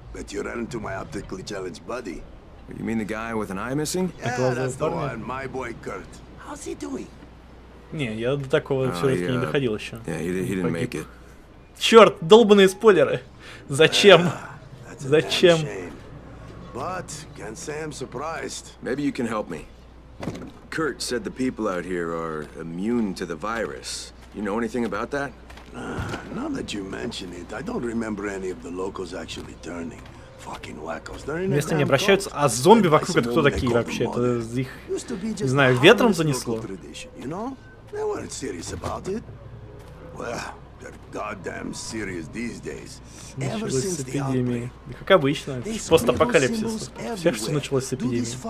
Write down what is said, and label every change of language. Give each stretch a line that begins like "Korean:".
English: Bet you ran into my optically challenged buddy. You mean the guy with an eye missing? Yeah, that's the one, my boy Kurt. How's he doing?
Russian: Не, я до такого всё-таки не доходил ещё.
English: Yeah, he didn't make it.
Russian: Чёрт, долбанные спойлеры! Зачем? Зачем?
English: But, can say I'm surprised. Maybe you can help me. Kurt said the people out here are immune to the virus. You know anything about that? Now that you mention it, I don't remember any of the locals actually turning. Fucking wackos. They're in a cult.
Russian: А зомби вокруг это кто такие вообще? Это их, не знаю, ветром занесло.
English: You know? They weren't serious about it. Well, they're goddamn serious these days. Ever since the epidemic.
Russian: Как обычно, постапокалипсис. Все, что началось с эпидемии.